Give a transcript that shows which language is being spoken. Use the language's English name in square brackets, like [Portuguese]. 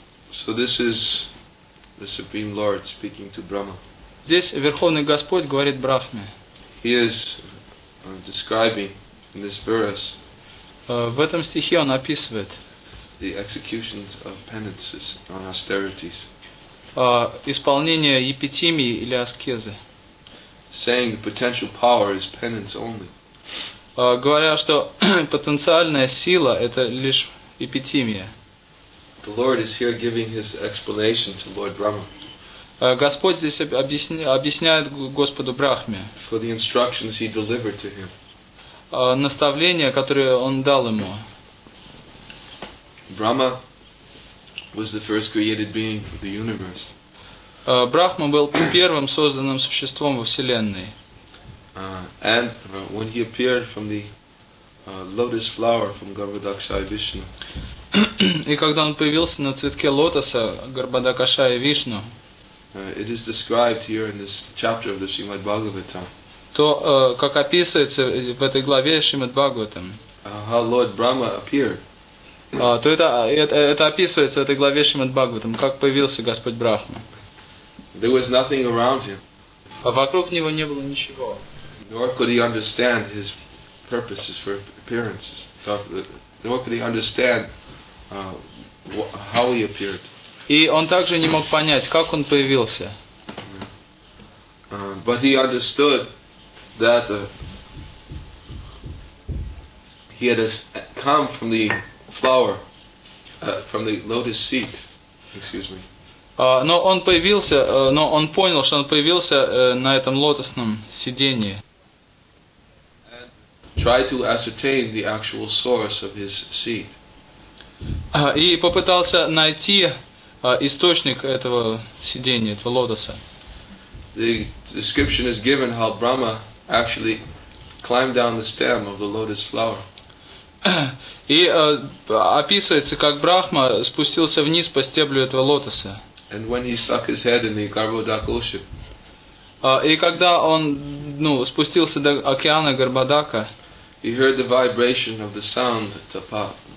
[English] So this is the Supreme Lord speaking to Brahma. [Russian] Здесь Верховный Господь говорит Брахме. [English] He is describing in this verse. [Russian] В этом стихе он описывает [English] the executions of penances and austerities. [Russian] Исполнение эпитимии или аскезы. [English] Saying the potential power is penance only. [Russian] Говоря, что потенциальная сила – это лишь эпитимия. [English] The Lord is here giving his explanation to Lord Brahma. [Russian] Господь здесь объясняет Господу Брахме. [English] For the instructions he delivered to him. [Russian] Наставление, которое он дал ему. [English] Brahma was the first created being of the universe. [Russian] Брахма был первым созданным существом во Вселенной. [English] And when he appeared from the lotus flower from Garbhadakshaya Vishnu. [Russian] И когда он появился на цветке лотоса Гарбхадакшая Вишну. [English] It is described here in this chapter of the Srimad Bhagavatam. [Russian] То, как описывается в этой главе Шримад Бхагаватам. [English] How Lord Brahma appeared. [Russian] То это описывается в этой главе Шримад Бхагаватам, как появился Господь Брахма. [English] There was nothing around him. [Russian] А вокруг него не было ничего. [English] Nor could he understand his purposes for appearances. Nor could he understand how he appeared. [Russian] И он также не мог понять, как он появился. [English] But he understood that he had come from the flower, from the lotus seed. Excuse me. [Russian] Но он понял, что он появился на этом лотосном сидении. [English] Tried to ascertain the actual source of his seed. [Russian] И попытался найти источник этого сидения, этого лотоса. [English] The description is given how Brahma actually climbed down the stem of the lotus flower. [Russian] И описывается, как Брахма спустился вниз по стеблю этого лотоса. [English] And when he stuck his head in the Garbhadak ocean. [Russian] И когда он, спустился до океана Гарбхадака, [English] he heard the vibration of the sound tapa.